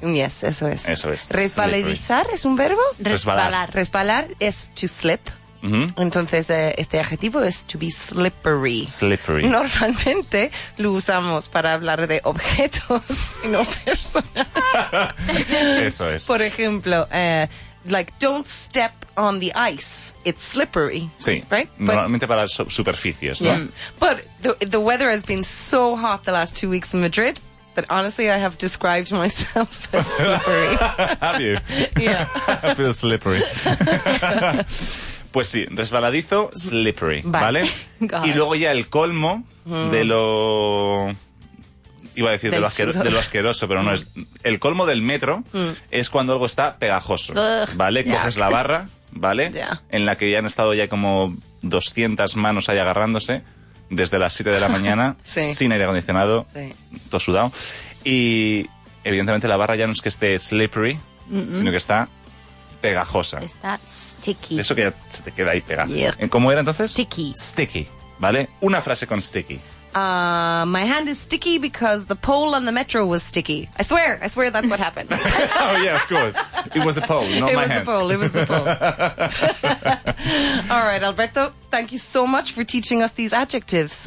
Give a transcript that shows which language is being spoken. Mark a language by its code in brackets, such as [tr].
[es] Yes, eso es. Eso es. ¿Resbaladizar es un verbo? Resbalar. Resbalar es [en] to slip. Uh-huh. [es] Entonces, este adjetivo es [en] to be slippery. Slippery. [es] Normalmente lo usamos para hablar de objetos y no personas. Eso es. Por ejemplo, [en] like, don't step on the ice, it's slippery. [es] Sí. [en] Right? [es] Normalmente para superficies, ¿no? [en] But the weather has been so hot the last 2 weeks in Madrid that honestly I have described myself as slippery. Have you? Yeah. I feel slippery. [es] Pues sí, resbaladizo, [en] slippery, ¿vale? God. [es] Y luego ya el colmo de lo... Iba a decir de lo asqueroso, pero no es... El colmo del metro es cuando algo está pegajoso, ¿vale? [en] Yeah. [es] Coges la barra, ¿vale? [en] Yeah. [es] En la que ya han estado ya como 200 manos ahí agarrándose desde las 7 de la mañana, sí, sin aire acondicionado, sí, todo sudado. Y evidentemente la barra ya no es que esté slippery, mm-mm, sino que está... pegajosa. Está sticky. Eso que ya se te queda ahí pegado. [en] Yeah. [es] ¿Cómo era entonces? [en] Sticky. [es] Sticky, ¿vale? Una frase con sticky. [en] My hand is sticky because the pole on the metro was sticky. I swear that's what happened. Oh yeah, of course. It was the pole, not it my hand. It was the pole. All right, Alberto, thank you so much for teaching us these adjectives.